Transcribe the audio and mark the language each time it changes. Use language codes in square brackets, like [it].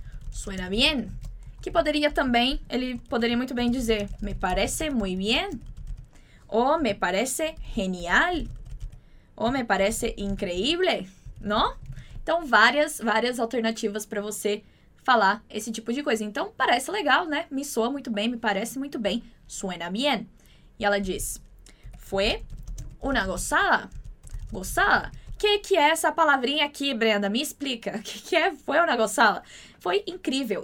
[es] Suena bien. [pt] Que poderia também, ele poderia muito bem dizer, [es] me parece muy bien. Ou me parece genial. Ou me parece increíble, ¿no? [pt] Então, várias alternativas para você falar esse tipo de coisa. Então, parece legal, né? Me soa muito bem, me parece muito bem. [es] Suena bien. [pt] E ela diz, [es] fue una gozada. [pt] Gozada. Que é essa palavrinha aqui, Brenda? Me explica. Que é foi uma gozada? Foi incrível.